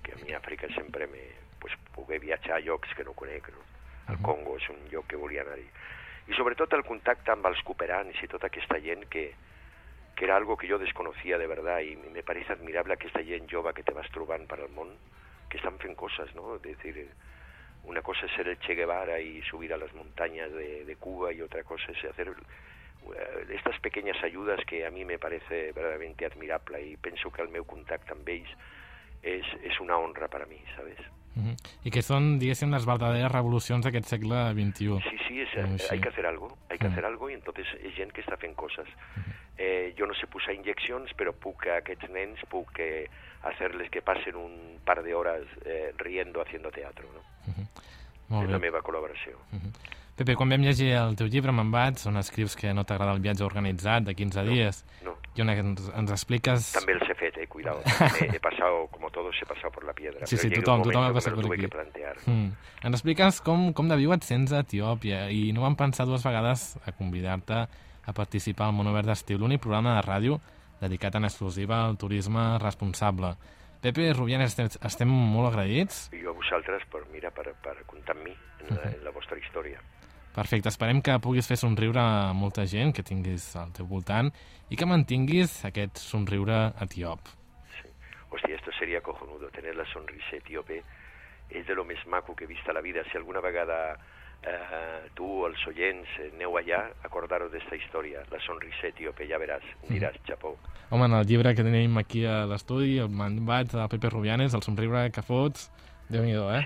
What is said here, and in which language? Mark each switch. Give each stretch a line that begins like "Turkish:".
Catalan: Que a mi Àfrica sempre me pues pugué viatjar a llocs que no conec, no? El Congo és un lloc que volia anar-hi. I sobretot el contacte amb els cooperants i tota aquesta gent que era algo que jo
Spanish: desconocía de verdad, y me parece admirable
Catalan: aquesta gent jove que te vas trobant per al món, que estan fent coses, ¿no?
Spanish: Es decir, una cosa es ser el Che Guevara y subir a las montañas de Cuba, y otra cosa es hacer estas pequeñas ayudas que a mí me parece verdaderamente admirable y pienso que
Catalan: el meu
Spanish: contacto
Catalan: amb ells
Spanish: es una honra para mí, ¿sabes? Y que son,
Catalan: diguéssim,
Spanish: las verdaderas revoluciones
Catalan: d'aquest segle XXI.
Spanish: Sí, sí, es, hay que hacer algo, hay que hacer algo y entonces es gente que está haciendo cosas.
Catalan: Yo no sé posar inyeccions, però puc a aquests nens, puc
Spanish: hacerles
Catalan: que passen un par de hores
Spanish: riendo haciendo teatro,
Catalan: ¿no? Molt bé. La meva col·laboració. Pepe, quan vam llegir el teu llibre, Me'n vaig, on escrius que no t'agrada el viatge organitzat de 15 dies, no, no. I on ens expliques... També els he fet, cuidado. He passat, com tots, he passat per
Spanish: la piedra.
Catalan: Sí, sí, tothom ha passat per aquí. Ens expliques com de viu et sents a Etiòpia i no vam pensar dues vegades a convidar-te a participar al Monobert d'Estiu, l'únic programa de ràdio dedicat en exclusiva al turisme responsable. Pepe Rubián, estem molt agraïts. I jo a vosaltres, per, mira, per comptar amb mi en la vostra història. Perfecte, esperem que puguis fer somriure a molta gent que tinguis al teu voltant i que mantinguis aquest somriure etíop. Sí.
Spanish: Hòstia, esto sería cojonudo, tener la sonrisa etíope.
Catalan: És de lo més maco que he vist a la vida. Si alguna vegada tu o els oients aneu allà, acordaros d'esta història,
Spanish: la sonrisa etíope,
Catalan: ja veràs, diràs, chapó. Home, en el llibre que tenim aquí a l'estudi, el mandat de Pepe Rubianes, el somriure que fots, déu-n'hi-do, eh?